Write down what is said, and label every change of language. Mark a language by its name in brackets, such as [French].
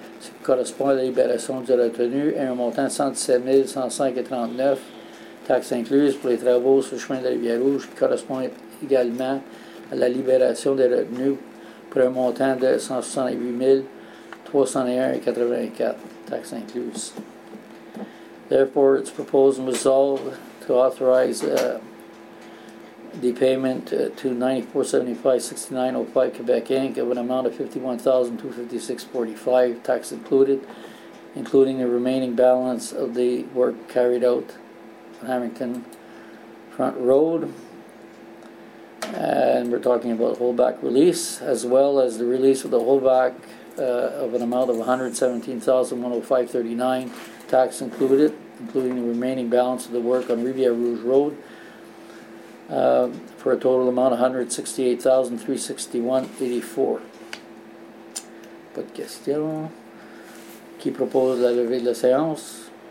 [French] Ce qui correspond à la libération de la retenue et un montant de 117,105,39 taxes incluses pour les travaux sur le chemin de la Rivière Rouge, qui correspond également à la libération des retenues pour un montant de 168,301,84 taxes incluses. [English] Therefore, it's proposed and resolved to authorize the payment to 9475-6905 Quebec Inc. of an amount of $51,256.45, tax included, including the remaining balance of the work carried out on Harrington Front Road. And we're talking about holdback release, as well as the release of the holdback of an amount of $117,105.39, tax included, including the remaining balance of the work on Rivière Rouge Road, for a total amount of $168,361.84. [French] Pas de question. Qui propose la levée de la séance?